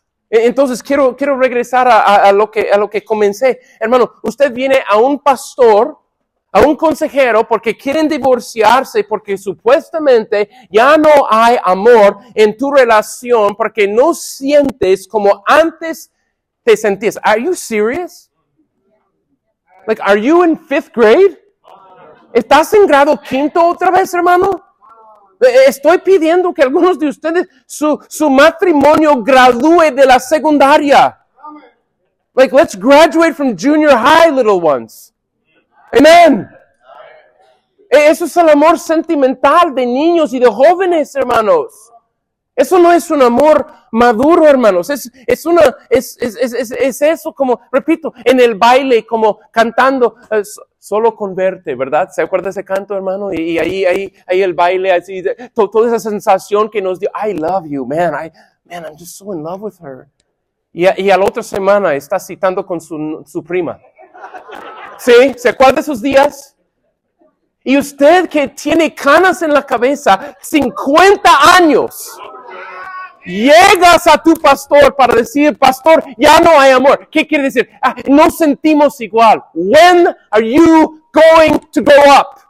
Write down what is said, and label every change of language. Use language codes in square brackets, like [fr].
[es] Entonces, quiero regresar a lo que comencé. Hermano, usted viene a un pastor, a un consejero, porque quieren divorciarse, porque supuestamente ya no hay amor en tu relación, porque no sientes como antes te sentías. [en] Are you serious? Like, are you in fifth grade? [es] ¿Estás en grado quinto otra vez, hermano? Estoy pidiendo que algunos de ustedes, su matrimonio gradúe de la secundaria. [en] Like, let's graduate from junior high, little ones. Amen. [es] Eso es el amor sentimental de niños y de jóvenes, hermanos. Eso no es un amor maduro, hermanos. Es eso, como, repito, en el baile, como cantando, solo con verte, ¿verdad? ¿Se acuerda ese canto, hermano? Y ahí el baile, así, toda esa sensación que nos dio, [en] I love you, man. Man, I'm just so in love with her. [es] Y a la otra semana está citando con su prima. ¿Sí? ¿Se acuerda de esos días? Y usted que tiene canas en la cabeza, 50 años, llegas a tu pastor para decir, pastor, ya no hay amor. ¿Qué quiere decir? Ah, no sentimos igual. [en] When are you going to grow up?